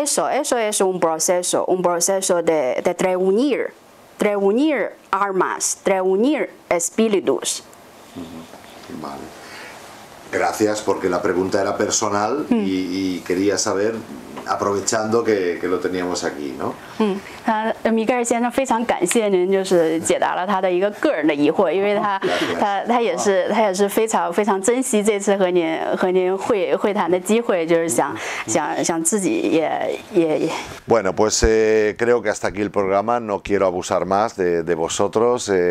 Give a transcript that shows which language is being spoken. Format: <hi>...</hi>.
<es>eso es un proceso de reunir almas, reunir espíritus. Uh-huh. Vale. Gracias, porque la pregunta era personal, uh-huh, y quería saber, aprovechando que lo teníamos aquí, ¿no?</es> <zh>Miguel 先生非常感谢您，就是解答了他的一个个人的疑惑，因为他也是非常非常珍惜这次和您会谈的机会，就是想自己也。</zh> <es>Bueno, pues creo que hasta aquí el programa. No quiero abusar más de vosotros.</es>